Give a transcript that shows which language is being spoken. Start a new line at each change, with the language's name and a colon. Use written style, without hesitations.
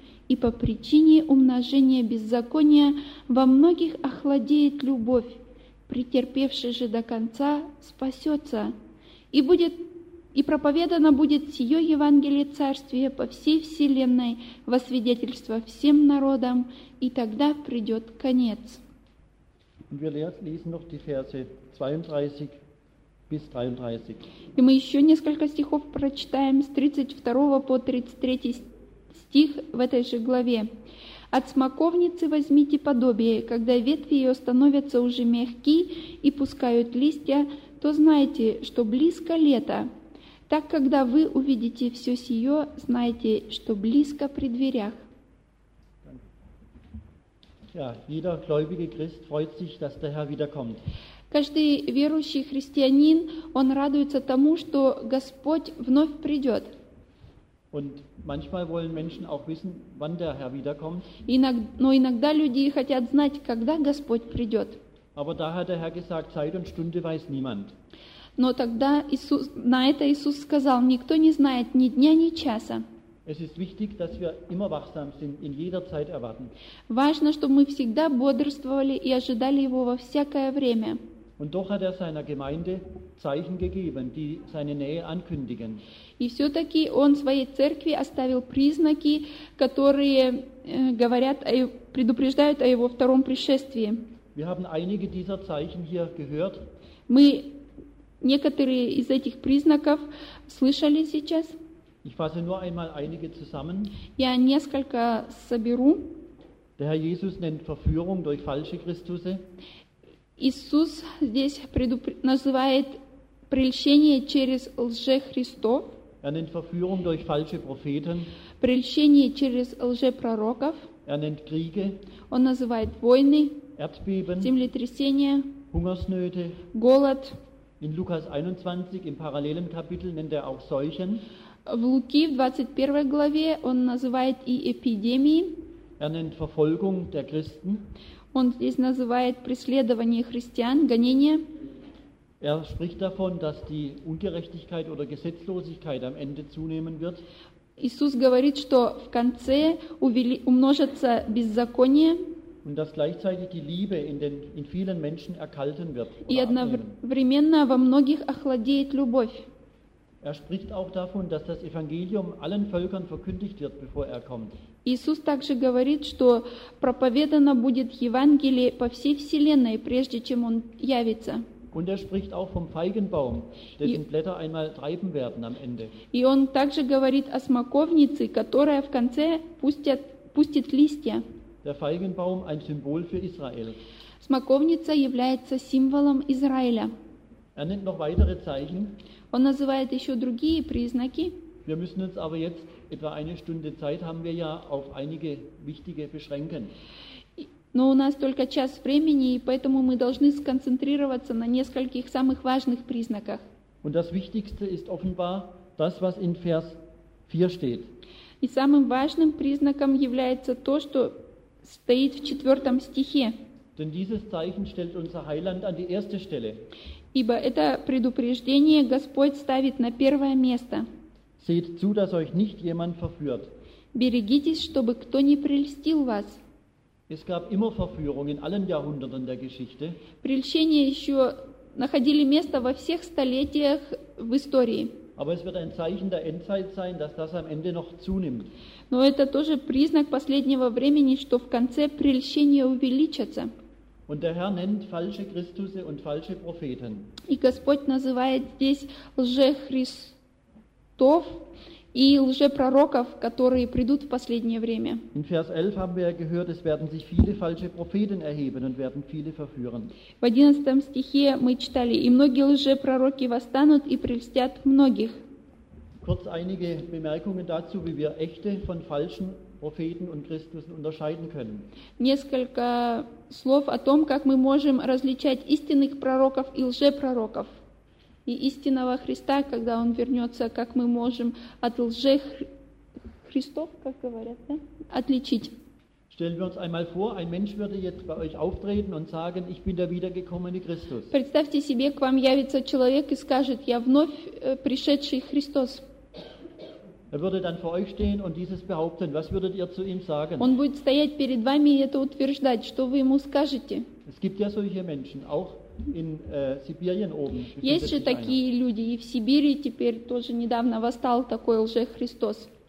Russian: И по причине умножения беззакония во многих охладеет любовь, претерпевший же до конца спасется. И будет, и проповедано будет сие Евангелие Царствия по всей вселенной во свидетельство всем народам, и тогда придет конец».
German: Und wir lesen noch die Verse 32 bis 33.
Russian: И мы еще несколько стихов прочитаем с 32 по 33 стих в этой же главе. «От смоковницы возьмите подобие, когда ветви ее становятся уже мягки и пускают листья, то знайте, что близко лето. Так, когда вы увидите все сие, знайте, что близко при дверях».
German: Ja, jeder gläubige Christ freut sich, dass der Herr wiederkommt.
Russian: Каждый верующий христианин, он радуется тому, что Господь вновь придет.
German: Und manchmal wollen Menschen auch wissen, wann der Herr wiederkommt.
Russian: Но иногда люди хотят знать, когда Господь придет.
German: Aber da hat der Herr gesagt, Zeit und Stunde weiß niemand.
Russian: Но тогда Иисус, на это Иисус сказал: никто не знает ни дня, ни часа.
German: Es ist wichtig, dass wir immer wachsam sind, in jeder Zeit erwarten.
Russian: Важно, чтобы мы всегда бодрствовали и ожидали его во всякое время.
German: Und doch hat er seiner Gemeinde Zeichen gegeben, die seine Nähe ankündigen.
Russian: И все-таки он своей церкви оставил признаки, которые говорят, предупреждают о его втором пришествии.
German: Wir haben einige dieser Zeichen hier gehört.
Russian: Мы некоторые из этих признаков слышали сейчас.
German: Ich fasse nur einmal einige zusammen.
Russian: Я несколько соберу.
German: Der Herr Jesus nennt Verführung durch falsche Christusse.
Russian: Иисус здесь называет прельщение через лжехристов.
German: Er nennt Verführung durch falsche Propheten.
Russian: Прельщение через лжепророков.
German: Er nennt Kriege.
Russian: Он называет войны.
German: Erdbeben.
Russian: Землетрясения.
German: Hungersnöte.
Russian: Голод.
German: In Lukas 21 im parallelen Kapitel nennt er auch Seuchen.
Russian: В Луки, в 21 главе, он называет и эпидемии.
German: Er nennt Verfolgung der Christen.
Russian: Он здесь называет преследование христиан, гонения.
German: Er spricht davon, dass die Ungerechtigkeit oder Gesetzlosigkeit am Ende zunehmen wird.
Russian: Иисус говорит, что в конце умножится беззаконие.
German: und dass gleichzeitig die Liebe in vielen Menschen erkalten wird.
Russian: И одновременно во многих охладеет любовь.
German: Er spricht auch davon, dass das Evangelium allen Völkern verkündigt wird, bevor er kommt.
Russian: Иисус также говорит, что проповедано будет Евангелие по всей вселенной, прежде чем он явится.
German: Und er spricht auch vom Feigenbaum, dessen Blätter einmal treiben werden am Ende.
Russian: И он также говорит о смоковнице, которая в конце пустит листья.
German: Der Feigenbaum ein Symbol für Israel.
Russian: Смоковница является символом Израиля.
German: Er nennt noch weitere Zeichen.
Russian: Он называет еще другие признаки.
German: Wir müssen uns aber jetzt etwa eine Stunde Zeit haben wir ja auf einige wichtige beschränken.
Russian: Но у нас только час времени, и поэтому мы должны сконцентрироваться на нескольких самых важных признаках.
German: Und das Wichtigste ist offenbar das, was in Vers 4 steht.
Russian: И самым важным признаком является то, что стоит в 4 стихе.
German: Denn dieses Zeichen stellt unser Heiland an die erste Stelle.
Russian: Ибо это предупреждение Господь ставит на первое место.
German: Seht zu, dass euch nicht jemand verführt.
Russian: Берегитесь, чтобы кто не прельстил вас.
German: Es gab immer Verführung in allen Jahrhunderten der Geschichte.
Russian: Прельщения еще находили место во всех столетиях в истории.
German: Aber es wird ein Zeichen der Endzeit sein, dass das am Ende noch zunimmt.
Russian: Но это тоже признак последнего времени, что в конце прельщения увеличатся.
German: Und der Herr nennt falsche Christusse und falsche Propheten.
Russian: И Господь называет здесь лжехристов и лжепророков, которые придут в последнее время.
German: In Vers 11 haben wir gehört, es werden sich viele falsche Propheten erheben und werden viele verführen.
Russian: В 11 стихе мы читали: «И многие лжепророки восстанут и прельстят многих».
German: Kurz einige Bemerkungen dazu, wie wir echte von falschen Propheten und Christen unterscheiden können.
Russian: Несколько слов о том, как мы можем различать истинных пророков и лжепророков. И истинного Христа, когда он вернется, как мы можем от лжехристов, как говорят, да? Отличить.
German: Stellen wir uns einmal vor, ein Mensch würde jetzt bei euch auftreten und sagen, ich bin der wiedergekommene Christus.
Russian: Представьте себе, к вам явится человек и скажет: я вновь пришедший Христос.
German: Er würde dann vor euch stehen und dieses behaupten. Was würdet ihr zu ihm sagen?
Russian: Он будет стоять перед вами и это утверждать. Что вы ему скажете?
German: Es gibt ja solche Menschen, auch in Sibirien oben.
Russian: Есть же такие люди, и в Сибири теперь тоже недавно восстал такой лжехристос.